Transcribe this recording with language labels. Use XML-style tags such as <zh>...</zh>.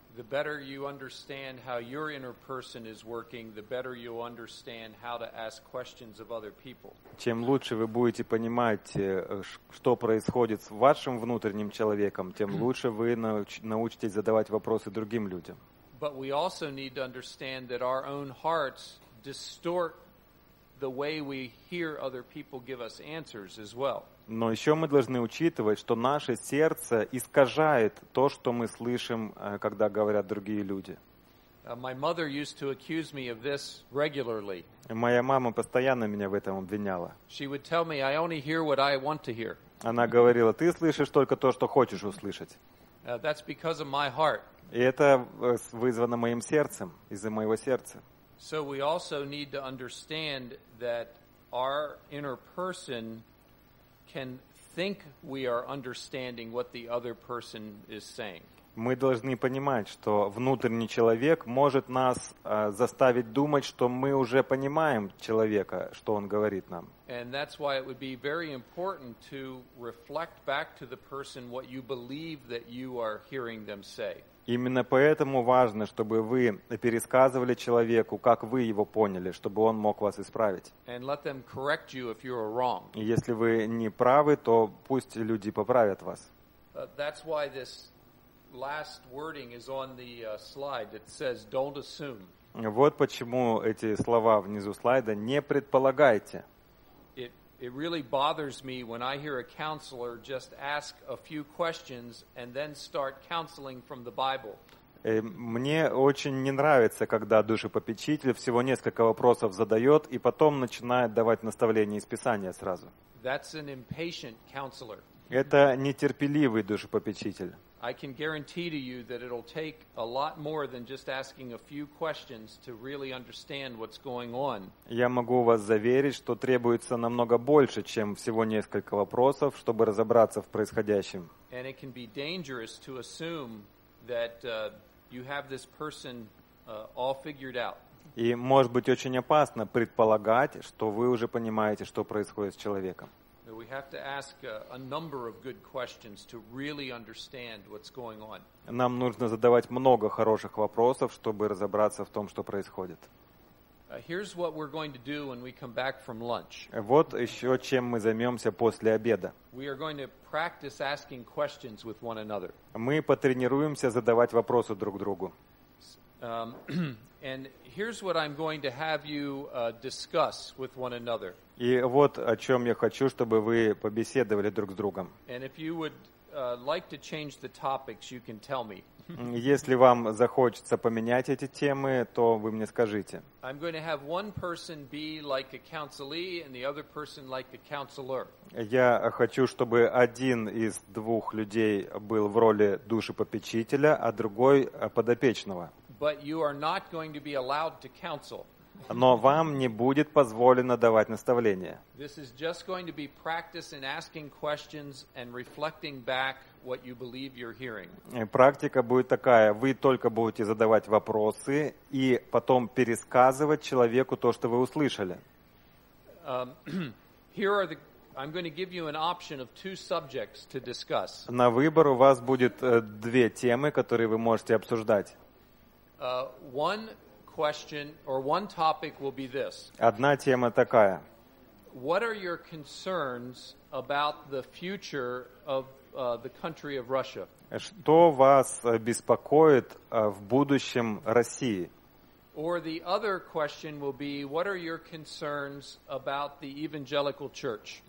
<en>The better you understand how your inner person is working, the better you'll understand how to ask questions of other people.</en> <ru>Чем лучше вы будете понимать, что происходит с вашим внутренним человеком, тем лучше вы научитесь задавать вопросы другим людям.</ru> <en>But we also need to understand that our own hearts distort the way we hear other people give us answers as well.</en> <ru>Но еще мы должны учитывать, что наше сердце искажает то, что мы слышим, когда говорят другие люди.</ru> <en>My mother used to accuse me of this regularly.</en> <ru>Моя мама постоянно меня в этом обвиняла.</ru> <en>She would tell me, I only hear what I want to hear.</en> <ru>Она говорила, ты слышишь только то, что хочешь услышать.</ru> <en>That's because of my heart.</en> <ru>И это вызвано моим сердцем, из-за моего сердца.</ru> <en>So we also need to understand that our inner person can think we are understanding what the other person is saying.</en> <ru>Мы должны понимать, что внутренний человек может нас заставить думать, что мы уже понимаем человека, что он говорит нам.</ru> <en>And that's why it would be very important to reflect back to the person what you believe that you are hearing them say.</en> <ru>Именно поэтому важно, чтобы вы пересказывали человеку, как вы его поняли, чтобы он мог вас исправить. И если вы не правы, то пусть люди поправят вас. Вот почему эти слова внизу слайда «не предполагайте».</ru> <en>It really bothers me when I hear a counselor just ask a few questions and then start counseling from the Bible.</en> <ru>Мне очень не нравится, когда душепопечитель всего несколько вопросов задает и потом начинает давать наставления из Писания сразу.</ru> <en>That's an impatient counselor.</en> <ru>Это нетерпеливый душепопечитель.</ru> <en>I can guarantee to you that it'll take a lot more than just asking a few questions to really understand what's going on.</en> <ru>Я могу вас заверить, что требуется намного больше, чем всего несколько вопросов, чтобы разобраться в происходящем.</ru> <en>And it can be dangerous to assume that you have this person all figured out.</en> <ru>И может быть очень опасно предполагать, что вы уже понимаете, что происходит с человеком.</ru> <en>We have to ask a number of good questions to really understand what's going on.</en> <ru>Нам нужно задавать много хороших вопросов, чтобы разобраться в том, что происходит.</ru> <en>Here's what we're going to do when we come back from lunch.</en> <ru>Вот еще чем мы займемся после обеда.</ru> <en>We are going to practice asking questions with one another.</en> <ru>Мы потренируемся задавать вопросы друг другу.</ru> <en>And here's what I'm going to have you discuss with one another.</en> <ru>И вот о чем я хочу, чтобы вы побеседовали друг с другом.</ru> <en>And if you would like to change the topics, you can tell me.</en> <ru>Если вам захочется поменять эти темы, то вы мне скажите.</ru> <en>I'm going to have one person be like a counselee and the other person like a counselor.</en> <ru>Я хочу, чтобы один из двух людей был в роли душепопечителя, а другой подопечного.</ru> <en>But you are not going to be allowed to counsel.</en> <ru>Но вам не будет позволено давать наставления.</ru> <en>This is just going to be practice in asking questions and reflecting back what you believe you're hearing.</en> <ru>Практика будет такая: вы только будете задавать вопросы и потом пересказывать человеку то, что вы услышали.</ru> <en>Here are the I'm going to give you an option of two subjects to discuss.</en> <ru>На выбор у вас будет две темы, которые вы можете обсуждать.</ru> <en>One question or one topic will be this.</en> <ru>Одна тема такая.</ru> <en>What are your concerns about the future of the country of Russia?</en> <ru>Что вас беспокоит в будущем России?</ru> <en>Or the other question will be, what are your concerns about the evangelical church?</en>